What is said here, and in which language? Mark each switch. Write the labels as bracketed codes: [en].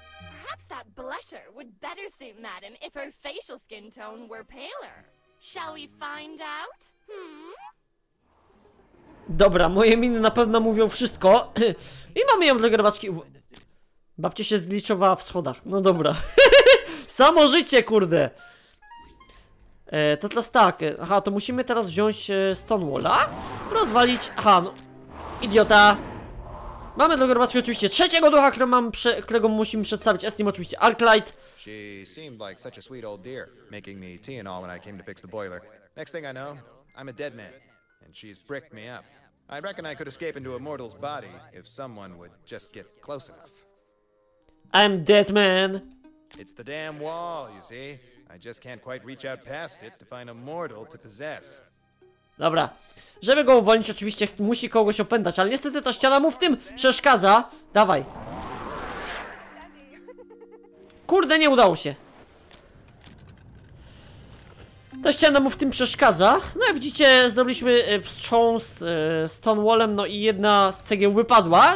[en] Perhaps that blusher would better suit madam if her facial skin tone were paler. Shall we find out? [pl] Dobra, moje miny na pewno mówią wszystko. I mamy ją dla grabaczki. Babcia się zgliczowała w schodach. No dobra. Samo życie, kurde. To teraz tak. Aha, to musimy teraz wziąć Stonewalla. Rozwalić. Aha, no. Idiota. Mamy dla grabaczki oczywiście trzeciego ducha, którego musimy przedstawić. Jest nim oczywiście Arclight. [en] She seemed like such a sweet old dear, making me tea and all when I came to fix the boiler. Next thing I know, I'm a dead man. And she's bricked me up. I reckon I could escape into a mortal's body if someone would just get close enough. I'm dead man. It's the damn wall, you see. I just can't quite reach out past it to find a mortal to possess. [pl] Dobra. Żeby go uwolnić, oczywiście musi kogoś opętać, ale niestety ta ściana mu w tym przeszkadza. Dawaj. Kurde, nie udało się. Ta ściana mu w tym przeszkadza. No jak widzicie, zrobiliśmy wstrząs Stonewallem, no i jedna z cegieł wypadła.